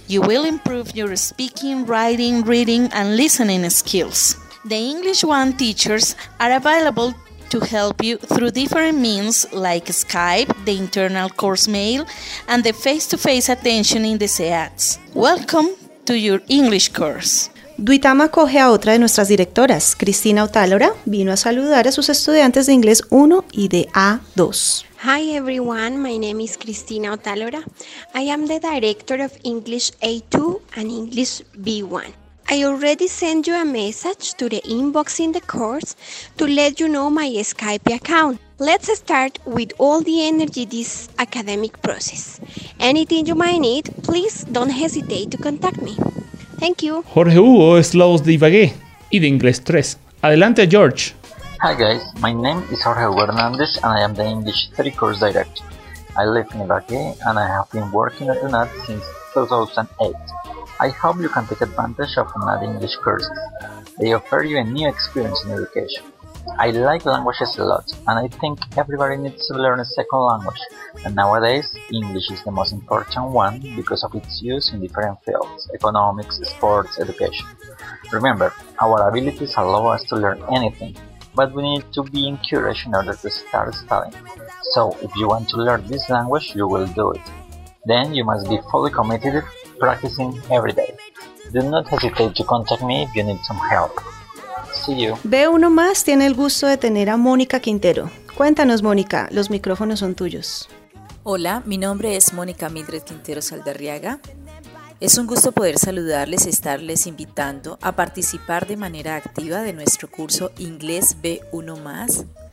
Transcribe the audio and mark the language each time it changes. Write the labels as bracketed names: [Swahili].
[English] You will improve your speaking, writing, reading, and listening skills. The English 1 teachers are available to help you through different means like Skype, the internal course mail, and the face-to-face attention in the SEATs. Welcome to your English course. [Spanish] Duitama acoge a otra de nuestras directoras, Cristina Otálora, vino a saludar a sus estudiantes de Inglés 1 y de A2. [English] Hi everyone, my name is Cristina Otálora. I am the director of English A2 and English B1. I already sent you a message to the inbox in the course to let you know my Skype account. Let's start with all the energy this academic process. Anything you might need, please don't hesitate to contact me. Thank you. [Spanish] Jorge Hugo es la voz de Ibagué y de Inglés 3. Adelante, George. [English] Hi guys, my name is Jorge Hugo Hernandez and I am the English 3 course director. I live in Ibagué and I have been working at UNAD since 2008. I hope you can take advantage of UNAD English courses. They offer you a new experience in education. I like languages a lot, and I think everybody needs to learn a second language. And nowadays, English is the most important one because of its use in different fields, economics, sports, education. Remember, our abilities allow us to learn anything, but we need to be encouraged in order to start studying. So, if you want to learn this language, you will do it. Then you must be fully committed, practicing every day. Do not hesitate to contact me if you need some help. See you. [Spanish] B1 más tiene el gusto de tener a Mónica Quintero. Cuéntanos, Mónica, los micrófonos son tuyos. Hola, mi nombre es Mónica Mildred Quintero Saldarriaga. Es un gusto poder saludarles y estarles invitando a participar de manera activa de nuestro curso Inglés B1+.